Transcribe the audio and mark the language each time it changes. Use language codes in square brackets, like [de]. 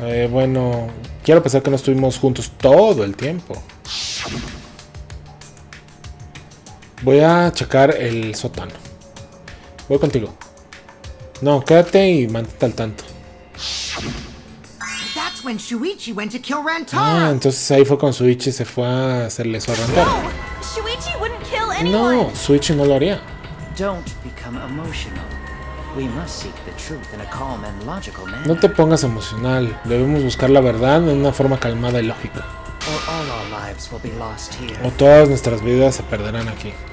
[es] Bueno, quiero pensar que no estuvimos juntos todo el tiempo. Voy a checar el sótano. Voy contigo. No, quédate y mantente al tanto. [en] That's when Shuichi went to kill Rantaro. [es] Ah, entonces ahí fue cuando Shuichi se fue a hacerle eso a Rantaro. [en] No, Shuichi wouldn't kill anyone. [es] No, Shuichi no lo haría. [en] Don't become emotional. We must seek the truth in a calm and logical manner. [es] No te pongas emocional. Debemos buscar la verdad en una forma calmada y lógica. O todas nuestras vidas se perderán aquí.